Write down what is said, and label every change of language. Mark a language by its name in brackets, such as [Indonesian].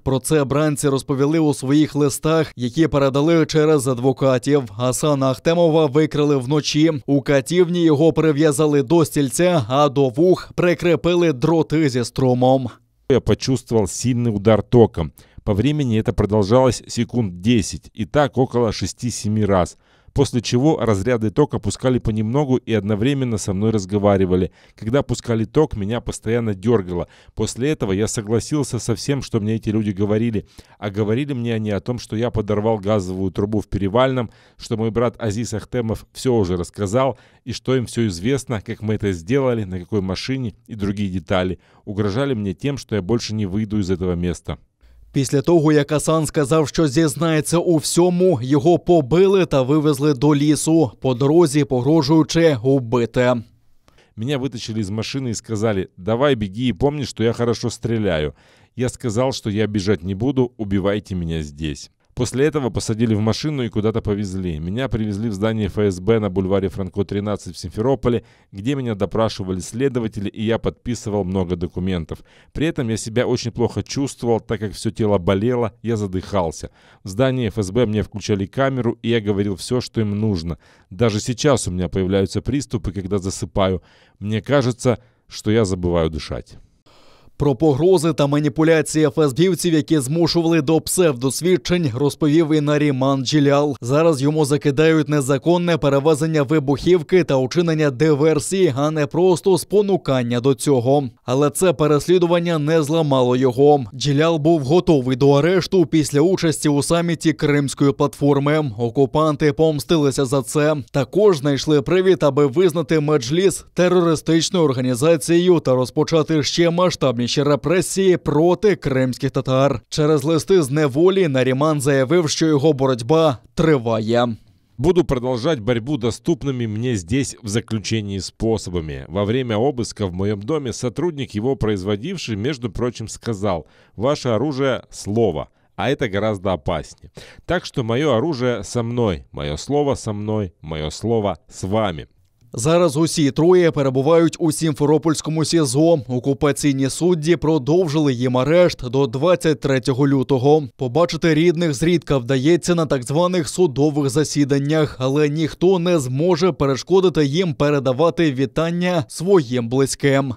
[Ukrainian] Про це бранці розповіли у своїх листах, які передали через адвокатів. Асана Ахтемова викрили вночі. У катівні його прив'язали до стільця, а до вух прикріпили дроти зі струмом. Я почував сильний удар током. [Russian] По времени это продолжалось секунд 10, и так около 6-7 раз. После чего разряды тока пускали понемногу и одновременно со мной разговаривали. Когда пускали ток, меня постоянно дергало. После этого я согласился со всем, что мне эти люди говорили. А говорили мне они о том, что я подорвал газовую трубу в Перевальном, что мой брат Азиз Ахтемов все уже рассказал, и что им все известно, как мы это сделали, на какой машине и другие детали. Угрожали мне тем, что я больше не выйду из этого места. [Ukrainian] Після того, як Асан сказав, що зізнається у всьому, його побили та вивезли до лісу, по дорозі погрожуючи убити. [Russian] Меня вытащили из машины и сказали: «Давай, беги и помни, что я хорошо стреляю». Я сказал, что я бежать не буду, убивайте меня здесь. После этого посадили в машину и куда-то повезли. Меня привезли в здание ФСБ на бульваре Франко 13 в Симферополе, где меня допрашивали следователи, и я подписывал много документов. При этом я себя очень плохо чувствовал, так как все тело болело, я задыхался. В здании ФСБ мне включали камеру, и я говорил все, что им нужно. Даже сейчас у меня появляются приступы, когда засыпаю. Мне кажется, что я забываю дышать. [Ukrainian] Про погрози та маніпуляції ФСБівців, які змушували до псевдосвідчень, розповів і Наріман Джілял. Зараз йому закидають незаконне перевезення вибухівки та учинення диверсії, а не просто спонукання до цього. Але це переслідування не зламало його. Джілял був готовий до арешту після участі у саміті Кримської платформи. Окупанти помстилися за це. Також знайшли привід, аби визнати Меджліс терористичною організацією та розпочати ще масштаб ніші репресії проти кримських татар. Через листи з неволі Наріман заявив, що його боротьба триває. [Russian] Буду продолжать борьбу доступными мне здесь в заключении способами. Во время обыска в моем доме сотрудник, его производивший, между прочим, сказал: «Ваше оружие – слово, а это гораздо опаснее. Так что мое оружие со мной, мое слово со мной, мое слово с вами». [Ukrainian] Зараз усі троє перебувають у Сімферопольському СІЗО. Окупаційні судді продовжили їм арешт до 23 лютого. Побачити рідних зрідка вдається на так званих судових засіданнях, але ніхто не зможе перешкодити їм передавати вітання своїм близьким.